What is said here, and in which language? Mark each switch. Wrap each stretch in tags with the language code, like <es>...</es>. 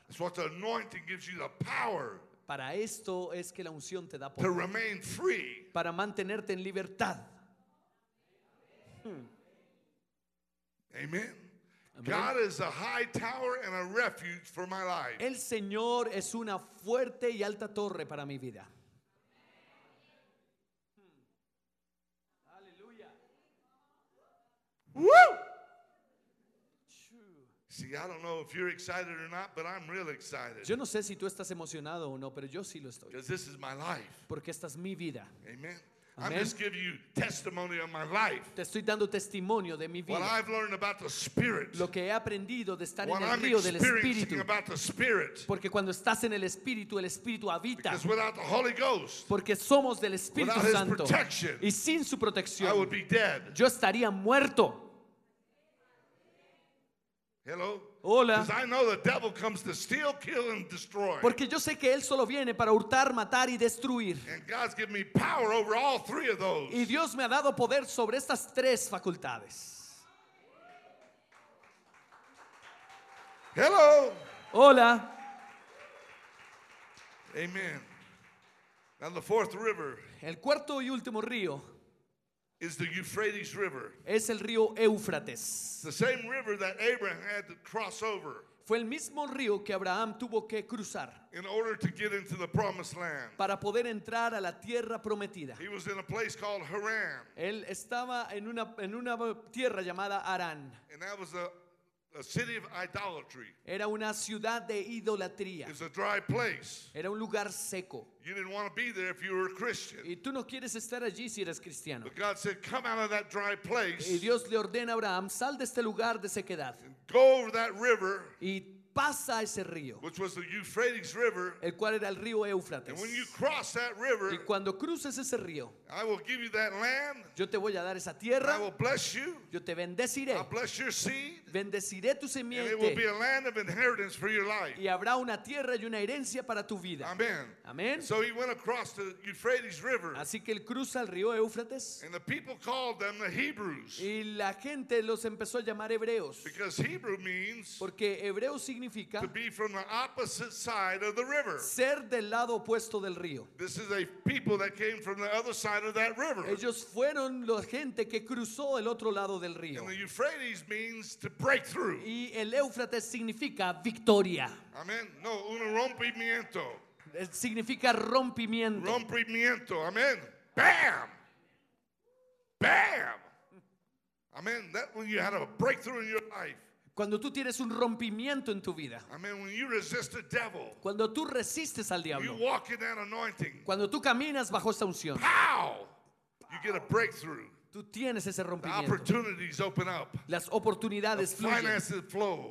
<en>It's what the anointing gives you, the power.</en> <es>Para esto es que la unción te da poder. Para mantenerte en libertad.</es> <en>Amen. God is a high tower and a refuge for my life.</en> <es>El Señor es una fuerte y alta torre para mi vida. Aleluya. Woo!</es> <en>See, I don't know if you're excited or not, but I'm real excited.</en> <es>Yo no sé si tú estás emocionado o no, pero yo sí lo estoy.</es> <en>Because this is my life.</en> <es>Porque esta es mi vida. Amen.</es> <en>I'm just giving you testimony of my life.</en> <es>Te estoy dando testimonio de mi vida.</es> <en>What I've learned about the Spirit.</en> <es>Lo que he aprendido de estar</es> <en>what</en> <es>en el río del Espíritu.</es> <en>About the Spirit.</en> <es>Porque cuando estás en el Espíritu habita.</es> <en>Because without the Holy Ghost.</en> <es>Porque somos del Espíritu</es> <en>without</en> <es>Santo.</es> <en>His protection,</en> <es>y sin su protección.</es> <en>I would be dead.</en> <es>Yo estaría muerto.</es> <en>Hello.</en> <es>Hola.</es> <en>Because I know the devil comes to steal, kill, and destroy.</en> <es>Porque yo sé que él solo viene para hurtar, matar y destruir.</es> <en>And God's given me power over all three of those.</en> <es>Y Dios me ha dado poder sobre estas tres facultades.</es> <en>Hello.</en> <es>Hola.</es> <en>Amen. Now the fourth river.</en> <es>El cuarto y último río.</es> <en>Is the Euphrates River.</en> <es>Es el río Éufrates.</es> <en>The same river that Abraham had to cross over.</en> <es>Fue el mismo río que Abraham tuvo que cruzar</es> <en>in order to get into the promised land.</en> <es>Para poder entrar a la tierra prometida.</es> <en>He was in a place called Haran.</en> <es>Él estaba en una tierra llamada Harán.</es> <en>And that was a city of idolatry.</en> <es>Era una ciudad de idolatría.</es> <en>It's a dry place.</en> <es>Era un lugar seco.</es> <en>You didn't want to be there if you were a Christian.</en> <es>Y tú no quieres estar allí si eres cristiano.</es> <en>But God said, "Come out of that dry place."</en> <es>Y Dios le ordena a Abraham, sal de este lugar de sequedad.</es> <en>Go over that river.</en> <es>Y pasa ese río.</es> <en>Which was the Euphrates River.</en> <es>El cual era el río Éufrates.</es> <en>And when you cross that river,</en> <es>y cuando cruces ese río,</es> <en>I will give you that land.</en> <es>Yo te voy a dar esa tierra.</es> <en>I will bless you.</en> <es>Yo te bendeciré.</es> <en>I'll bless your seed.</en> <es>Bendeciré tu semiente.</es> <en>And it will be a land of inheritance for your life.</en> <es>Y habrá una tierra y una herencia para tu vida. Amen. Amen.</es> <en>So he went across the Euphrates River.</en> <es>Así que él cruza el río Éufrates.</es> <en>And the people called them the Hebrews.</en> <es>Y la gente los empezó a llamar hebreos.</es> <en>Because Hebrew means.</en> <es>Porque hebreo significa.</es> <en>To be from the opposite side of the river.</en> <es>Ser del lado opuesto del río.</es> <en>This is a people that came from the other side. Of that river.</en> <es>Ellos fueron la gente que cruzó el otro lado del río.</es> <en>And the Euphrates means to break through.</en> <es>Y el Éufrates significa victoria. Amen. No, un rompimiento. Significa rompimiento. Rompimiento. Amen. Bam. Bam. Amen.</es> <en>That when you had a breakthrough in your life.</en> <es>Cuando tú tienes un rompimiento en tu vida.</es> <en>I mean, when you resist the devil,</en> <es>cuando tú resistes al diablo.</es> <en>You walk in that anointing,</en> <es>cuando tú caminas bajo esa unción.</es> <en>Pow, you get a breakthrough.</en> <es>Tú tienes ese rompimiento.</es> <en>The opportunities open up.</en> <es>Las oportunidades</es> <en>the</en> <es>fluyen.</es> <en>Finances flow.</en>